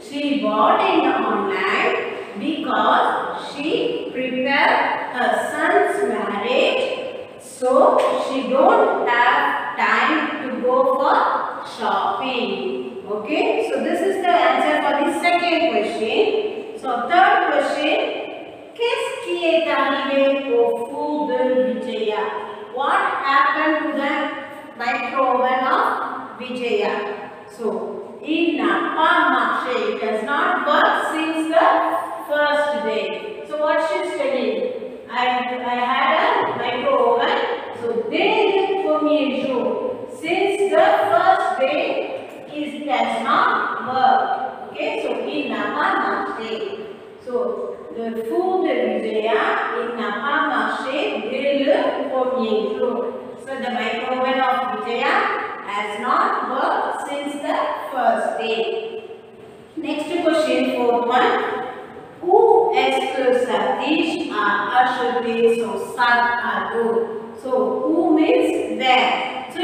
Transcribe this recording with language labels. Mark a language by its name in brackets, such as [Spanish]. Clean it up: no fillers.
[English] She bought in online because she prepared her son's marriage, so she don't have time to go for shopping. Okay, so this is the answer for the second question. So third question, [French] qu'est-ce qui est arrivé au four de Vijaya? [English] What happened to the micro oven of Vijaya? [French] So il n'a pas marché. [English] It has not worked since the first day. So what she's telling? I had a micro oven. So [French] dès le premier jour, [English] since the first day, it has not worked. [French] Okay. So il n'a pas marché. So le four de Vijaya, il n'a pas marché dès le premier jour. [English] So the micro oven of Vijaya has not worked since the first day. Next question, fourth one. [French] Où est-ce que Satish a acheté son sac à dos? [English] So, who means where? So,